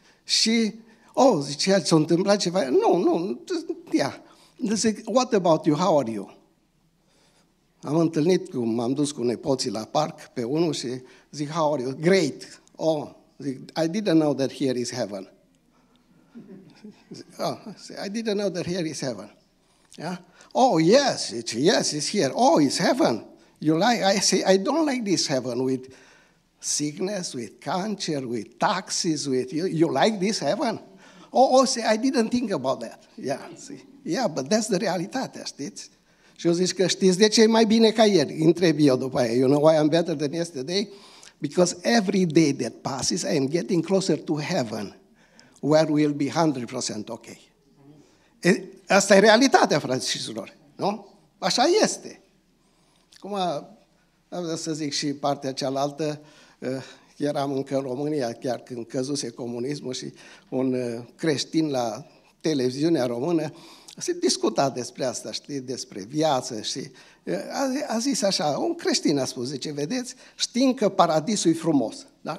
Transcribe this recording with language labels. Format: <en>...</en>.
<ro>Și, oh, zice, s-a întâmplat ceva? Nu, nu, ia.</ro> <en>Yeah. Zic, what about you, how are you?</en> <ro>Am întâlnit, m-am dus cu nepoții la parc pe unul și zic,</ro> <en>how are you? Great! Oh, zic, I didn't know that here is heaven. I didn't know that here is heaven. Yeah? Oh, yes, it's here. Oh, it's heaven. You like? I say, I don't like this heaven with sickness, with cancer, with taxes, with you like this heaven? Oh, see, I didn't think about that. Yeah, see. Yeah, but that's the</en> <ro>realitate, știți? Și eu zic că știți de ce e mai bine ca ieri? Întreb eu după aia.</ro> <en>You know why I'm better than yesterday? Because every day that passes, I am getting closer to heaven, where we'll be 100% okay.</en> <ro>Asta e realitatea, fraților, nu? Așa este. Acum, să zic și partea cealaltă, eram încă în România, chiar când căzuse comunismul și un creștin la televiziunea română se discuta despre asta, știi, despre viață și a zis așa, un creștin a spus, zice, vedeți, știm că paradisul e frumos, da?</ro>